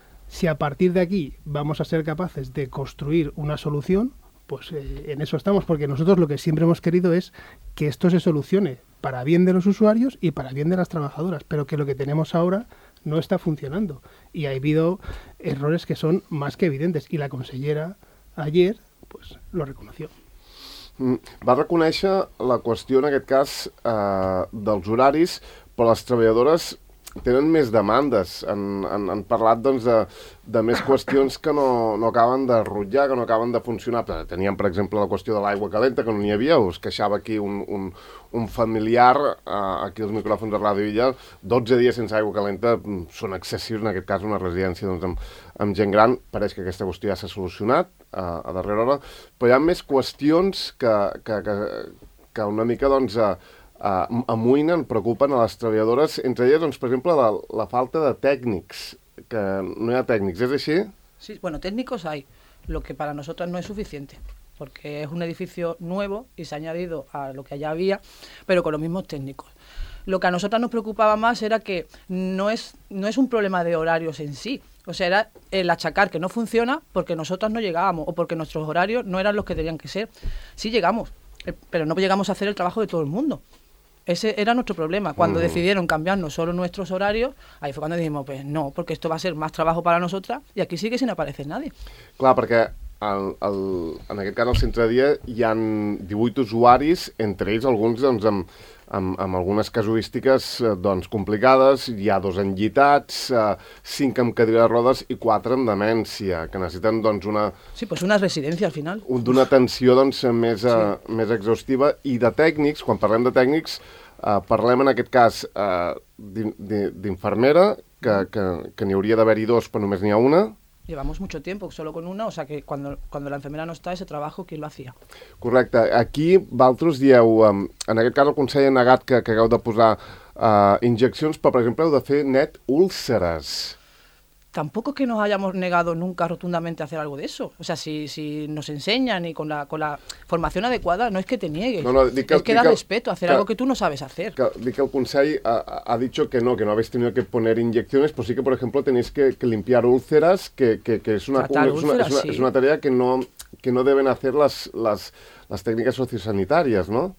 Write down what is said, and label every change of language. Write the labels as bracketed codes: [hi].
[es] Si a partir de aquí vamos a ser capaces de construir una solución, pues en eso estamos, porque nosotros lo que siempre hemos querido es que esto se solucione para bien de los usuarios y para bien de las trabajadoras, pero que lo que tenemos ahora no está funcionando. Y ha habido errores que son más que evidentes, y la consellera ayer pues lo reconoció. [ca] Va reconèixer la qüestió, en aquest cas, dels horaris, però les treballadores tenen més demandes. Han parlat, doncs, de més qüestions que no acaben de rutllar, que no acaben de funcionar. Teníem, per exemple, la qüestió de l'aigua calenta, que no n'hi havia. Us queixava aquí un familiar, aquí als micròfons de Ràdio Illa, 12 dies sense aigua calenta són excessius, en aquest cas, una residència, doncs, amb gent gran. Pareix que aquesta qüestió ja s'ha solucionat a darrera hora, però hi ha més qüestions que una mica, doncs, amoïnen, preocupen a les treballadores, entre elles, doncs, per exemple, la falta de tècnics, que no hi ha tècnics, és així? [es] Sí, bueno, técnicos hay, lo que para nosotros no es suficiente, porque es un edificio nuevo y se ha añadido a lo que allá había, pero con los mismos técnicos. Lo que a nosotros nos preocupaba más era que no es un problema de horarios en sí, o sea, era el achacar que no funciona porque nosotros no llegábamos o porque nuestros horarios no eran los que tenían que ser. Sí llegamos, pero no llegamos a hacer el trabajo de todo el mundo. Ese era nuestro problema. Cuando decidieron cambiarnos solo nuestros horarios, ahí fue cuando dijimos, pues no, porque esto va a ser más trabajo para nosotras y aquí sigue sin aparecer nadie. [ca] Claro, porque en aquest cas, al centre dia, hi ha 18 usuaris, entre ells alguns, doncs, amb algunes casuístiques doncs, complicades. Hi ha dos enllitats, cinc amb cadira de rodes i quatre amb demència, que necessiten doncs, una... Sí, pues una residència, al final. D'una atenció doncs, més, sí. Més exhaustiva. I de tècnics, quan parlem de tècnics, parlem en aquest cas d'infermera, que n'hi hauria d'haver-hi dos, però només n'hi ha una. [es] Llevamos mucho tiempo solo con una, o sea que cuando la enfermera no está, ese trabajo, ¿quién lo hacía? [ca] Correcte. Aquí, vosaltres dieu, en aquest cas el Consell ha negat que hagueu de posar injeccions, però, per exemple, heu de fer net úlceres. [es] Tampoco que nos hayamos negado nunca rotundamente a hacer algo de eso. O sea, si nos enseñan y con la formación adecuada, no es que te niegues. No, es que da respeto a hacer algo que tú no sabes hacer. [ca] Dic que [es] el Consell ha dicho que no habéis tenido que poner inyecciones, pero sí que, por ejemplo, tenéis que limpiar úlceras, que es una tarea que no deben hacer las técnicas sociosanitarias, ¿no?